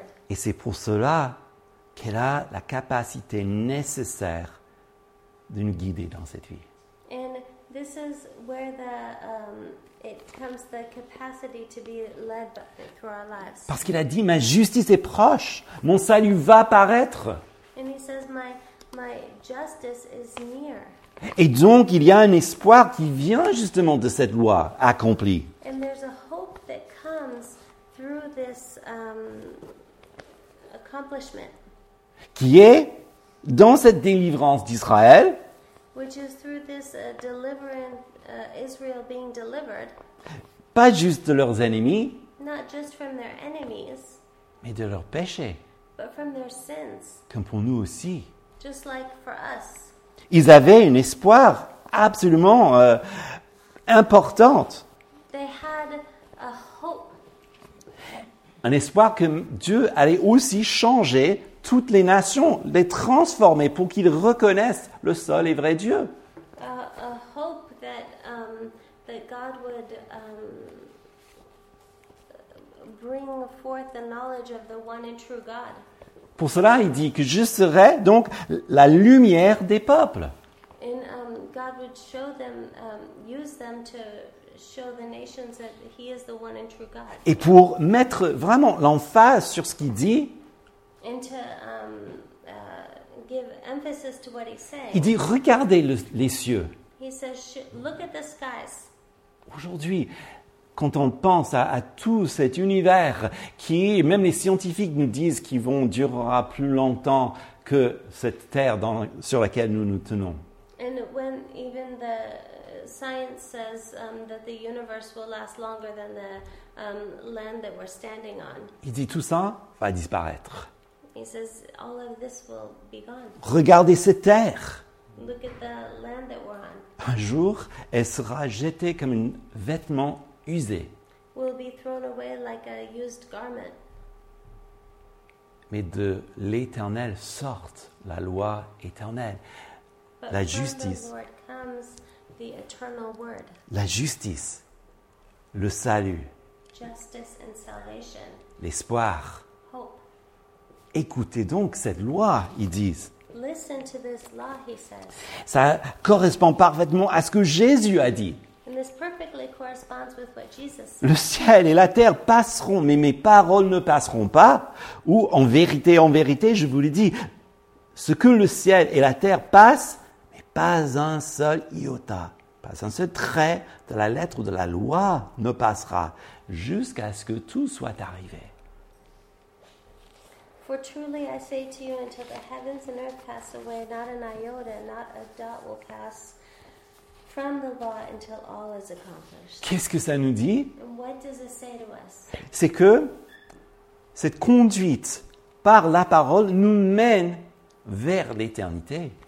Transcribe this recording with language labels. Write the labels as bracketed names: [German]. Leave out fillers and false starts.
[French] Et c'est pour cela qu'elle a la capacité nécessaire de nous guider dans cette vie. [English] And this is where the it comes the capacity to be led through our lives. [French] Parce qu'il a dit, ma justice est proche, mon salut va paraître. [English] And he says, my justice is near. [French] Et donc, il y a un espoir qui vient justement de cette loi accomplie. [English] And there's a hope that comes through this accomplishment. [French] Qui est dans cette délivrance d'Israël. [English] Which is through this Israel being delivered. [French] Pas juste de leurs ennemis. [English] Not just from their enemies. [French] Mais de leurs péchés. [English] But from their sins. [French] Comme pour nous aussi. [English] Just like for us. [French] Ils avaient un espoir absolument importante. [English] They had a hope. [French] Un espoir que Dieu allait aussi changer toutes les nations, les transformer pour qu'ils reconnaissent le seul et vrai Dieu. [English] A hope that, that God would bring forth the knowledge of the one and true God. [French] Pour cela, il dit que je serai donc la lumière des peuples. [English] And God would show them, use them to show the nations that he is the one and true God. [French] Et pour mettre vraiment l'emphase sur ce qu'il dit, [English] and to, give emphasis to what he said, [French] il dit, regardez les cieux. [English] He says, look at the skies. [French] Aujourd'hui, quand on pense à tout cet univers qui, même les scientifiques nous disent qu'il durera plus longtemps que cette terre dans, sur laquelle nous nous tenons. [English] And when even the science says that the universe will last longer than the land that we're standing on. [French] Il dit tout ça va disparaître. [English] He says all of this will be gone. [French] Regardez cette terre. [English] Look at the land that we're on. [French] Un jour, elle sera jetée comme un vêtement usé. [English] Will be thrown away like a used garment. [French] Mais de l'éternel sort la loi éternelle. [English] But [French] la justice. [English] From the Lord comes the eternal word. [French] La justice. Le salut. [English] Justice and salvation. [French] L'espoir. [English] Hope. [French] Écoutez donc cette loi, ils disent. [English] Listen to this law, he says. [French] Ça correspond parfaitement à ce que Jésus a dit. [English] And this perfectly corresponds with what Jesus said. [French] Le ciel et la terre passeront, mais mes paroles ne passeront pas. Ou en vérité, je vous le dis, ce que le ciel et la terre passent, mes pas un seul iota, pas un seul trait de la lettre ou de la loi ne passera jusqu'à ce que tout soit arrivé. [English] For truly I say to you, until the heavens and earth pass away, not an iota, not a dot will pass from the law until all is accomplished. [French] Qu'est-ce que ça nous dit? [English] And what does it say to us? [French] C'est que cette conduite par la parole nous mène vers l'éternité.